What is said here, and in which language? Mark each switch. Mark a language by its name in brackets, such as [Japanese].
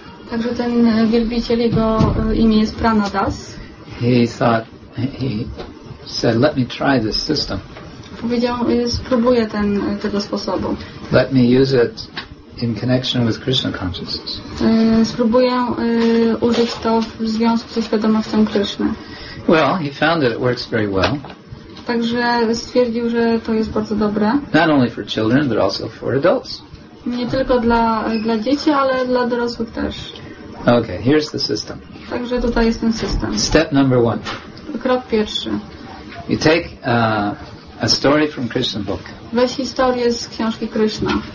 [Polish] Także ten wielbiciel, jego imię jest Pranadas. [English] He thought, he said, let me try this system. [Polish] Powiedział, spróbuję tego sposobu. [English] Let me use it in connection with Krishna consciousness. [Polish] Spróbuję użyć to w związku ze świadomością Krishna. [English] Well, he found that it works very well. [Polish] Także stwierdził, że to jest bardzo dobre. [English] Not only for children, but also for adults. [Polish] Nie tylko dla dzieci, ale dla dorosłych też. [English] Okay, here's the system. [Polish] Także tutaj jest ten system. [English] Step number one. [Polish] Krok pierwszy. [English] You take a story from Krishna book. [Polish] Weź historię z książki Krishna.